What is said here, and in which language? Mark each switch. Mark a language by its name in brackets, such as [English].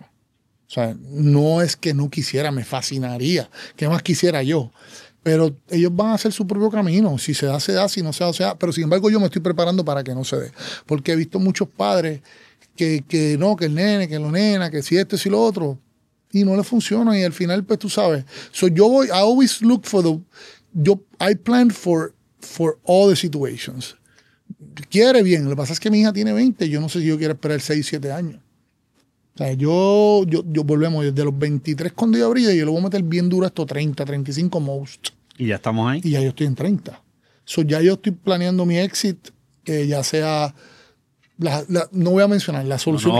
[Spanish] O sea, no es que no quisiera, me fascinaría. ¿Qué más quisiera yo? Pero ellos van a hacer su propio camino. Si se da, se da. Si no se da, se da. Pero sin embargo, yo me estoy preparando para que no se dé. Porque he visto muchos padres que no, que el nene, que lo nena, que si esto, si lo otro. Y no le funciona. Y al final, pues tú sabes. [English] So [Spanish] yo voy, [English] I always look for the, yo, I plan for all the situations. [Spanish] Quiere bien. Lo que pasa es que mi hija tiene 20. Yo no sé si yo quiero esperar 6, 7 años. O sea, yo volvemos desde los 23 cuando yo abrí, yo lo voy a meter bien duro a estos 30, 35 most. ¿Y ya estamos ahí? Y ya yo estoy en 30. So, ya yo estoy planeando mi exit, ya sea, no voy a mencionar la solución.